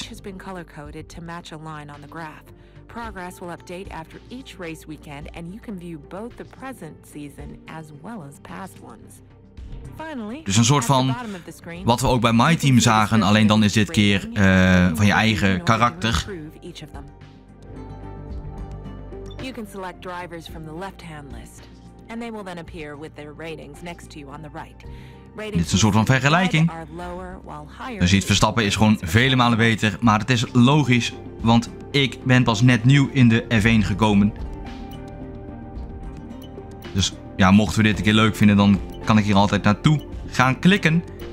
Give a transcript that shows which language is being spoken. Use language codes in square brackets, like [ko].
[en] Each has been color-coded to match a line on the graph. Progress will update after each race weekend, and you can view both the present season as well as past ones. Finally, [nl] dus een soort van wat we ook bij My Team zagen, alleen dan is dit keer van je eigen karakter. [en] You can select drivers from the left-hand list, and they will then appear with their ratings next to you on the right. [nl] Dit is een soort van vergelijking. Je ziet Verstappen is gewoon vele malen beter. Maar het is logisch. Want ik ben pas net nieuw in de F1 gekomen. Dus ja, mochten we dit een keer leuk vinden. Dan kan ik hier altijd naartoe gaan klikken.